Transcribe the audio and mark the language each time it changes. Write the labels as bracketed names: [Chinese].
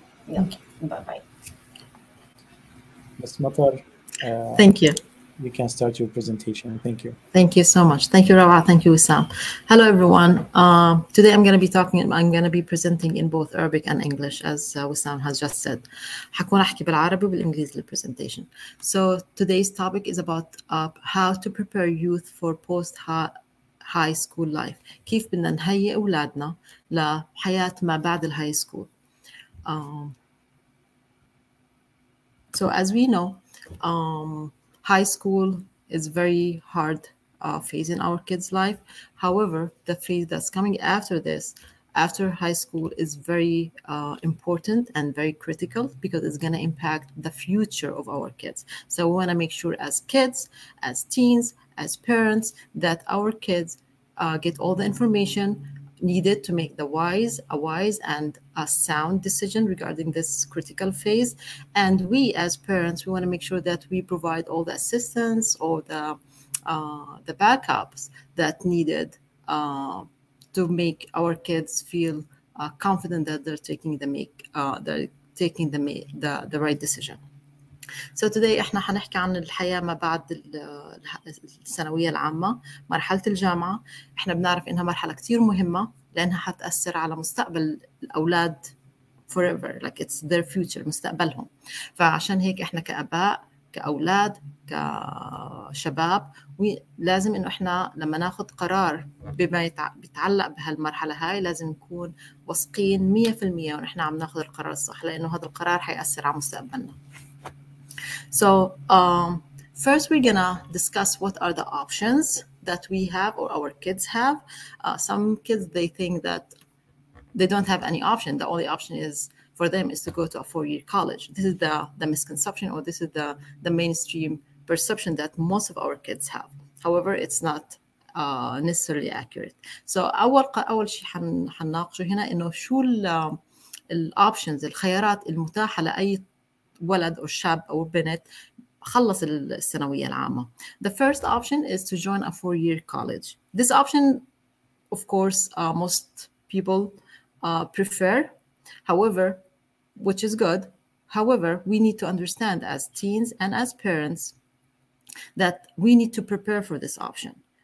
[English] Bye-bye. Ms. Matar. Thank you. You can start your presentation. Thank you. Thank you so much. Thank you, Rawa. Thank you, Wissam. Hello, everyone. Today, I'm going to be presenting in both Arabic and English, as Wissam has just said. [Arabic] حكون أحكي بالعربي بالإنجليزي presentation. [English] So today's topic is about how to prepare youth for post-high school life. [Arabic] كيف بدنا نهيئ أولادنا لحياة ما بعد الهاي سكول. [English] So as we know, high school is very hard phase in our kids' life. However, the phase that's coming after this, after high school, is very important and very critical because it's going to impact the future of our kids. So we want to make sure as kids, as teens, as parents, that our kids get all the information needed to make a wise and a sound decision regarding this critical phase. And we as parents, we want to make sure that we provide all the assistance or the backups that needed to make our kids feel confident that they're taking the right decision. So today [Arabic] احنا حنحكي عن الحياة ما بعد الثانوية العامة مرحلة الجامعة. احنا بنعرف انها مرحلة كتير مهمة لأنها حتأثر على مستقبل الأولاد [English] forever, like it's their future, [Arabic] مستقبلهم. فعشان هيك إحنا كأباء, كأولاد, كشباب, لازم إنه إحنا لما ناخد قرار بما يتعلق بهالمرحلة هاي لازم نكون واثقين 100% ونحنا عم ناخد القرار الصح, لأنه هذا القرار حيأثر على مستقبلنا. [English] So first we're gonna discuss what are the options that we have or our kids have. Some kids, they think that they don't have any option. The only option is for them is to go to a four-year college. This is the misconception, or this is the mainstream perception that most of our kids have. However, it's not necessarily accurate. [Arabic] So أول شيء حنناقشه هنا إنه شو الoptions, الخيارات المتاحة لأي ولد أو شاب أو بنت خلص الثانوية العامة. [English] The first option is to join a four-year college. This option, of course, most people prefer. However, which is good. However, we need to understand as teens and as parents that we need to prepare for this option.